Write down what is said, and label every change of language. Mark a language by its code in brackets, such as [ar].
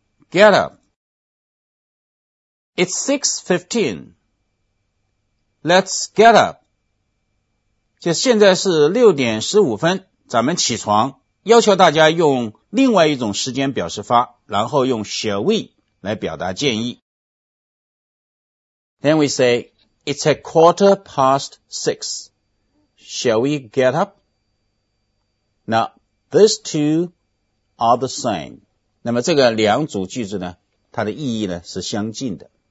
[en] Get up. It's 6:15. Let's get up. [zh] 就现在是6点15分，咱们起床，要求大家用另外一种时间表示法，然后用 shall we 来表达建议。 [en] Then we say, it's a quarter past six. Shall we get up? Now, these two are the same. [zh] 那么这个两组句子呢，它的意义呢是相近的。